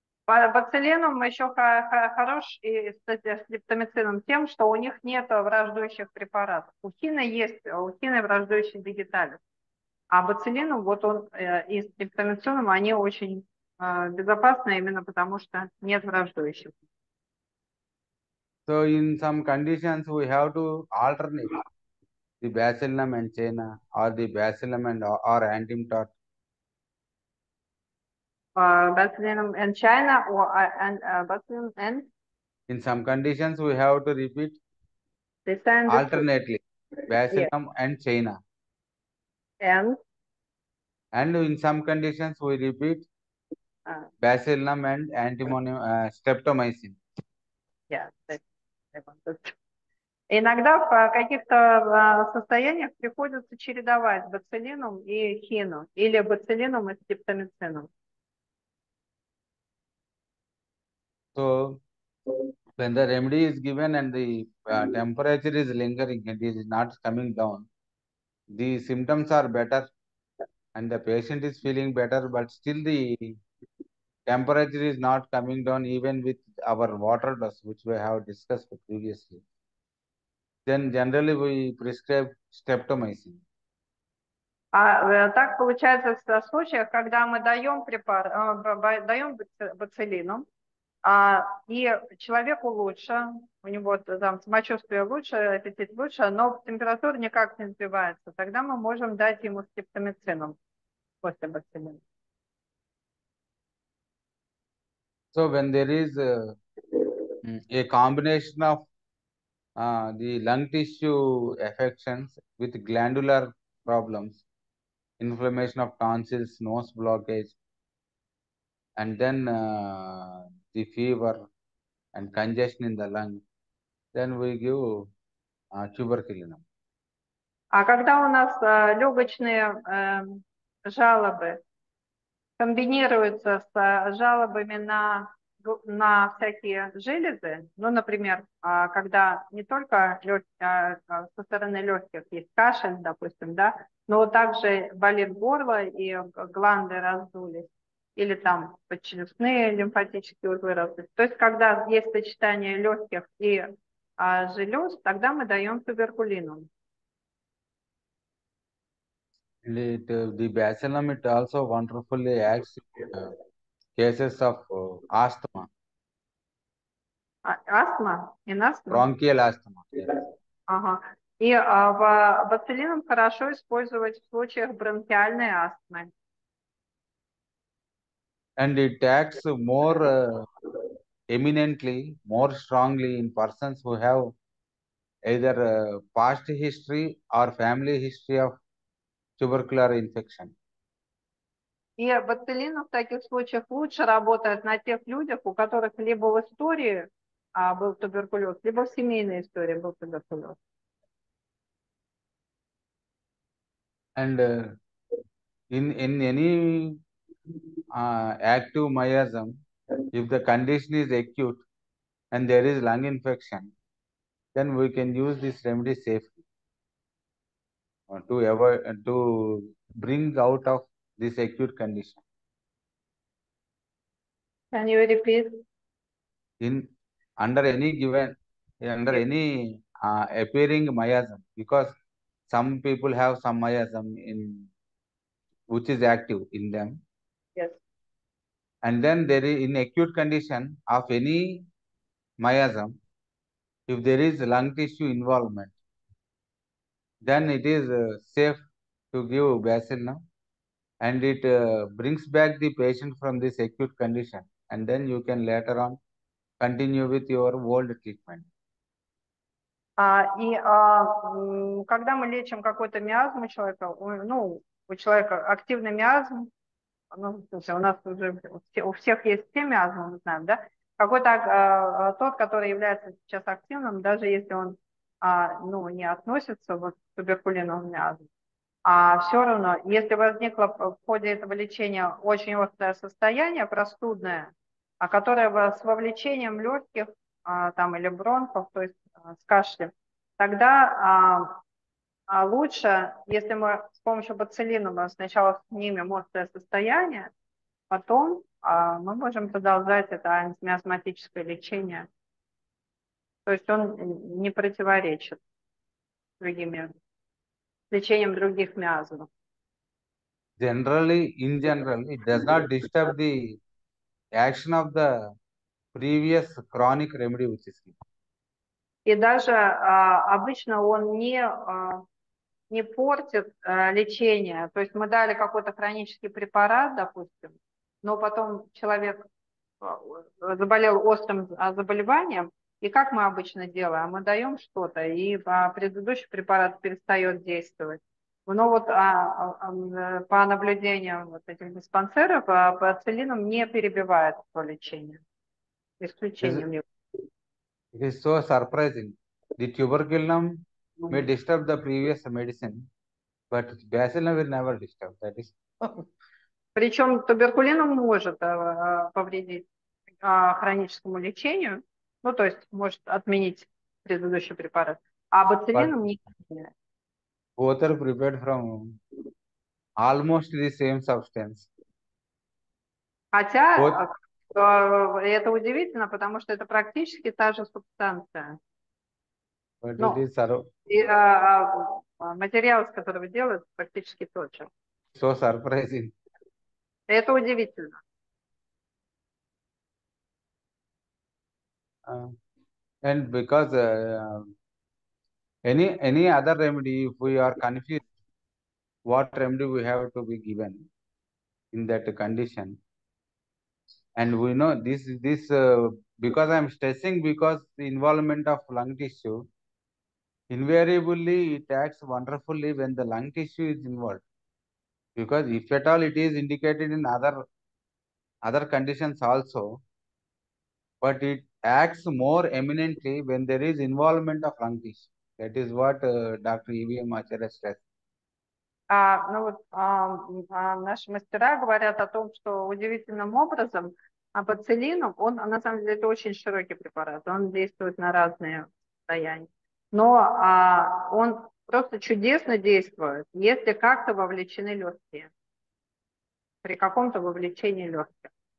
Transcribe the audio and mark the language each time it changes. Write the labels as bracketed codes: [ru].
[ru] Бацилленум еще хорош и с лептомицином тем, что у них нет враждующих препаратов. У хина есть, у хина враждующий дигиталис. А бацилленум, вот он и с лептомицином, они очень безопасны именно потому, что нет враждующих. [en] So in some conditions we have to alternate the bacillum and China or the bacillum and or antimtot. Bacillium and China or and Bacillium and In some conditions we have to repeat this and alternately Bacillum yeah. and China. And in some conditions we repeat Bacillum and antimonium streptomycin. [ru] Иногда в каких-то состояниях приходится чередовать бацилином и хину или бацилином и стрептомицином. [en] So, when the remedy is given and the temperature is lingering, it is not coming down, the symptoms are better and the patient is feeling better, but still the temperature is not coming down even with our water dose, which we have discussed previously, then generally we prescribe streptomycin. [ru] Так получается в случаях, когда мы даем даем бацилином, и человеку лучше, у него там самочувствие лучше, аппетит лучше, но температура никак не сбивается. Тогда мы можем дать ему стрептомицином после бацилина. [en] So when there is a combination of the lung tissue affections with glandular problems, inflammation of tonsils, nose blockage, and then the fever and congestion in the lung, then we give tuberculinum. [ru] А когда у нас легочные жалобы комбинируются с жалобами на всякие железы, ну, например, когда не только со стороны легких есть кашель, допустим, да, но также болит горло и гланды раздулись, или там подчелюстные лимфатические узлы раздулись. То есть, когда есть сочетание легких и желез, тогда мы даем туберкулинум. [en] The bacillum, it also wonderfully acts in cases of asthma. Астма? In asthma? Bronchial asthma, yes. [ru] И бацилином хорошо использовать в случаях бронхиальной астмы. [en] And it acts more eminently, more strongly in persons who have either past history or family history of tubercular infection. [ru] И ботулин в таких случаях лучше работает на тех людях, у которых либо в истории был туберкулез, либо в семейной истории был туберкулез. [en] And in any active miasm, if the condition is acute and there is lung infection, then we can use this remedy safely to avoid to bring out of this acute condition. Can you repeat? In under any given under Yes. any appearing miasm, because some people have some miasm in which is active in them, Yes. and then there is in acute condition of any miasm, if there is lung tissue involvement, then it is safe to give bacillin, and it brings back the patient from this acute condition, and then you can later on continue with your old treatment. [ru] Когда мы лечим какой-то миазм у человека, ну, у человека активный миазм, ну, у нас уже у всех есть все миазмы, мы знаем, да? Какой-то тот, который является сейчас активным, даже если он ну, не относится вот, к туберкулиновому миазму, а все равно, если возникло в ходе этого лечения очень острое состояние, простудное, а которое с вовлечением легких там, или бронхов, то есть с кашлем, тогда лучше, если мы с помощью бациллина мы сначала снимем острое состояние, потом мы можем продолжать это антимиазматическое лечение. То есть он не противоречит другим лечениям других миазмов. [en] Generally, in general, it does not disturb the action of the previous chronic remedy which is given. [ru] И даже обычно он не портит лечение. То есть мы дали какой-то хронический препарат, допустим, но потом человек заболел острым заболеванием. И как мы обычно делаем? Мы даем что-то, и предыдущий препарат перестает действовать. Но вот по наблюдениям вот этих диспансеров, пациллином не перебивает то лечение. Исключением его. [en] It is so surprising. The tuberculum may disturb the previous medicine, but bacillin will never disturb. That is. [ru] Причем туберкулином может повредить хроническому лечению, ну то есть может отменить предыдущий препарат, а бациллином не. [en] Both are prepared from almost the same substance. [ru] Хотя. [en] Both. [ru] То это удивительно, потому что это практически та же субстанция. [en] But [ru] Но [en] it is sur [ru] и, материал, с которого делают, практически тот же. [en] So surprising. [ru] Это удивительно. [en] And because any other remedy, if we are confused, what remedy we have to be given in that condition? And we know this because I am stressing, because the involvement of lung tissue, invariably it acts wonderfully when the lung tissue is involved. Because if at all it is indicated in other conditions also, but it acts more eminently when there is involvement of lung tissue. That is what Dr. E.V.M. Acharya stressed. [ru] Ну вот наши мастера говорят о том, что удивительным образом бациллином, он на самом деле это очень широкий препарат, он действует на разные состояния, но он просто чудесно действует, если как-то вовлечены легкие, при каком-то вовлечении легких.